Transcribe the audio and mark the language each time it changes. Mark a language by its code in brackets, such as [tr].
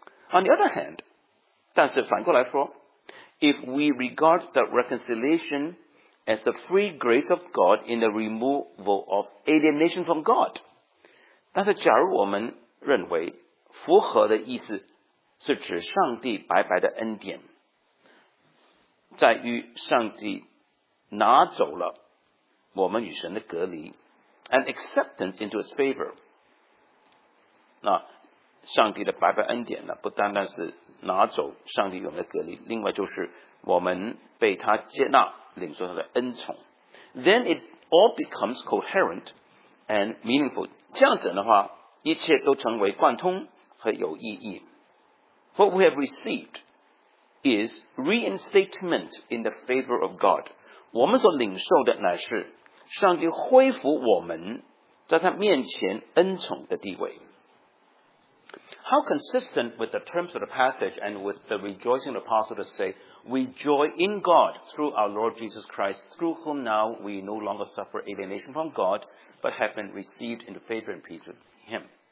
[en] On the other hand, [zh] 但是反过来说, [en] if we regard the reconciliation as the free grace of God in the removal of alienation from God, [zh] 但是假如我们认为复合的意思是指上帝白白的恩典，在于上帝拿走了我们与神的隔离, [en] and acceptance into his favor, [zh] 那 上帝的白白恩典呢，不单单是拿走上帝永远的隔离，另外就是我们被他接纳，领受他的恩宠。 [en] Then it all becomes coherent and meaningful. [zh] 这样子的话, 一切都成为贯通和有意义。 [en] What we have received is reinstatement in the favor of God. [zh] 我们所领受的乃是上帝恢复我们在他面前恩宠的地位。 [en] How consistent with the terms of the passage and with the rejoicing of the apostle to say, we joy in God through our Lord Jesus Christ, through whom now we no longer suffer alienation from God, but have been received into favor and peace with Him.